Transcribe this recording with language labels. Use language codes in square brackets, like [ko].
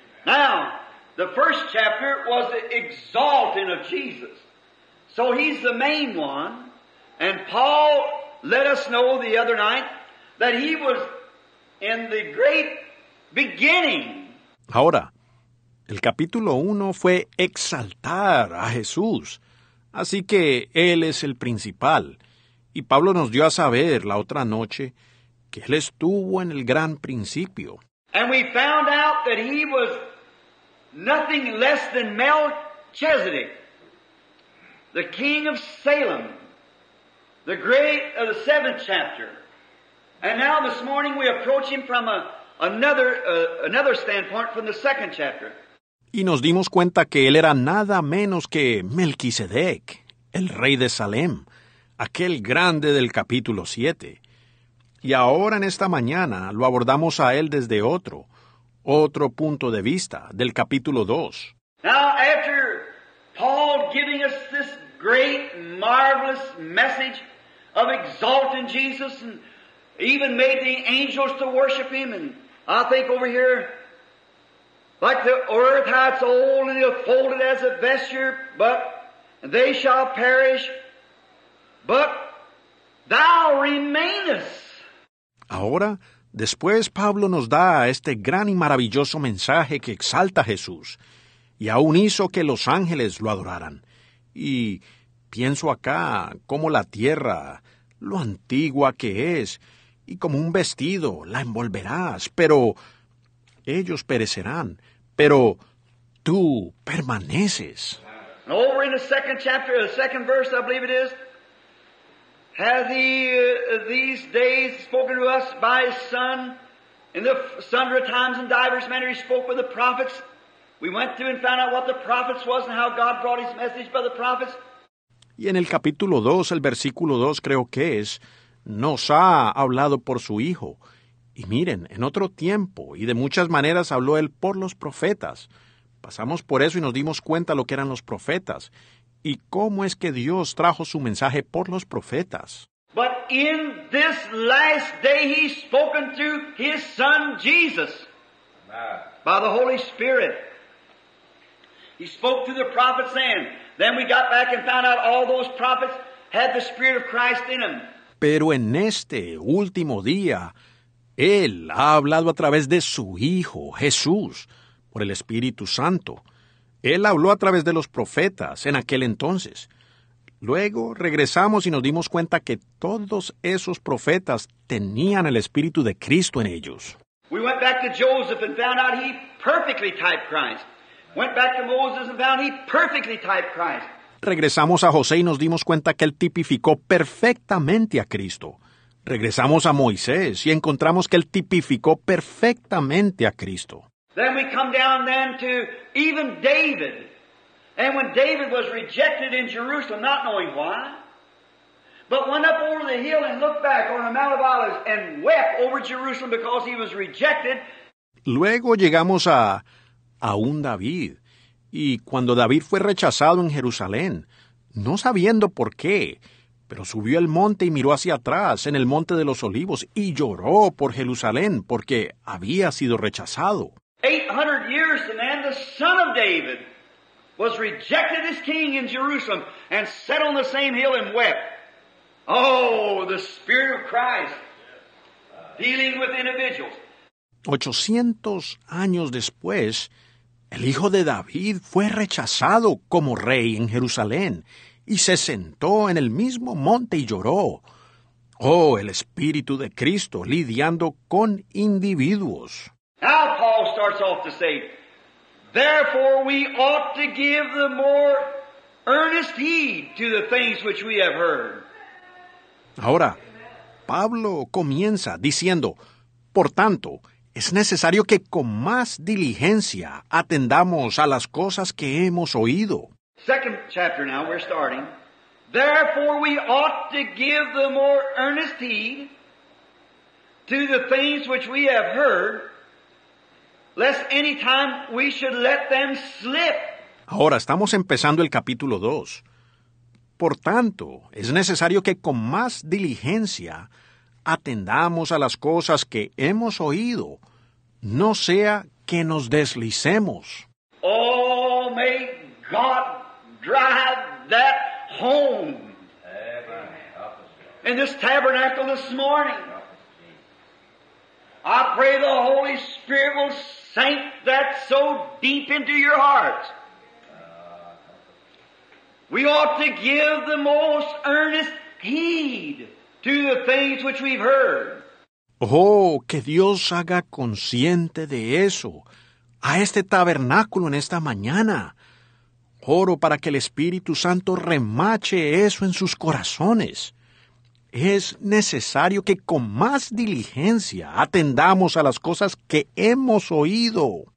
[en] Now, the first chapter was the exalting of Jesus. So he's the main one, and Paul let us know the other night that he was in the great beginning. [es] Ahora, el capítulo 1 fue exaltar a Jesús, así que él es el principal. Y Pablo nos dio a saber la otra noche que él estuvo en el gran principio. [en] And we found out that he was nothing less than Melchizedek, the king of Salem, the great of the seventh chapter. And now this morning we approach him from another standpoint from the second chapter. [es] Y nos dimos cuenta que él era nada menos que Melquisedec, el rey de Salem, aquel grande del capítulo 7. Y ahora en esta mañana lo abordamos a él desde otro punto de vista, del capítulo 2. [en] Now, after Paul giving us this great, marvelous message of exalting Jesus and even made the angels to worship him, and I think over here, like the earth, how it's old and folded as a vesture, but they shall perish, but thou remainest. [es] Ahora, después Pablo nos da este gran y maravilloso mensaje que exalta a Jesús, y aún hizo que los ángeles lo adoraran. Y pienso acá como la tierra, lo antigua que es, y como un vestido la envolverás, pero ellos perecerán. Pero tú permaneces. [en] Over in the second chapter, the second verse, I believe it is, hath he these days spoken to us by his Son, in the sundry times and divers manner he spoke with the prophets. We went through and found out what the prophets was and how God brought his message by the prophets. [es] Y en el capítulo 2, el versículo 2 creo que es, nos ha hablado por su Hijo. Y miren, en otro tiempo, y de muchas maneras habló él por los profetas. Pasamos por eso y nos dimos cuenta lo que eran los profetas, y cómo es que Dios trajo su mensaje por los profetas. [en] But in this last day he's spoken through his Son Jesus, by the Holy Spirit. He spoke to the prophets then. Then we got back and found out all those prophets had the Spirit of Christ in them. [es] Pero en este último día, él ha hablado a través de su Hijo, Jesús, por el Espíritu Santo. Él habló a través de los profetas en aquel entonces. Luego regresamos y nos dimos cuenta que todos esos profetas tenían el Espíritu de Cristo en ellos. [en] We went back to Joseph and found out he perfectly typed Christ. Went back to Moses and found he perfectly typed Christ. [es] Regresamos a José y nos dimos cuenta que él tipificó perfectamente a Cristo. Regresamos a Moisés y encontramos que él tipificó perfectamente a Cristo. [en] Then we come down then to even David. And when David was rejected in Jerusalem, not knowing why, but went up over the hill and looked back on the Mount of Olives and wept over Jerusalem because he was rejected. [es] Luego llegamos a un David. Y cuando David fue rechazado en Jerusalén, no sabiendo por qué, pero subió el monte y miró hacia atrás, en el monte de los olivos, y lloró por Jerusalén, porque había sido rechazado. [en] 800 years the man, the son of David, was rejected as king in Jerusalem, and sat on the same hill and wept. Oh, the Spirit of Christ, dealing with individuals. [es] 800 años después, el hijo de David fue rechazado como rey en Jerusalén, y se sentó en el mismo monte y lloró. Oh, el Espíritu de Cristo lidiando con individuos. [en] Now Paul starts off to say, therefore we ought to give the more earnest heed to the things which we have heard. [es] Ahora, Pablo comienza diciendo, por tanto, Es necesario que con más diligencia atendamos a las cosas que hemos oído. [en] Second chapter now, we're starting. Therefore we ought to give the more earnest heed to the things which we have heard, lest any time we should let them slip. [es] Ahora estamos empezando el capítulo 2. Por tanto, es necesario que con más diligencia atendamos a las cosas que hemos oído, no sea que nos deslicemos. [en] Oh, may God drive that home. In this tabernacle this morning, I pray the Holy Spirit will sink that so deep into your heart. We ought to give the most earnest heed to the things which we've heard. [es] Oh, que Dios haga consciente de eso a este tabernáculo en esta mañana. Oro para que el Espíritu Santo remache eso en sus corazones. Es necesario que con más diligencia atendamos a las cosas que hemos oído.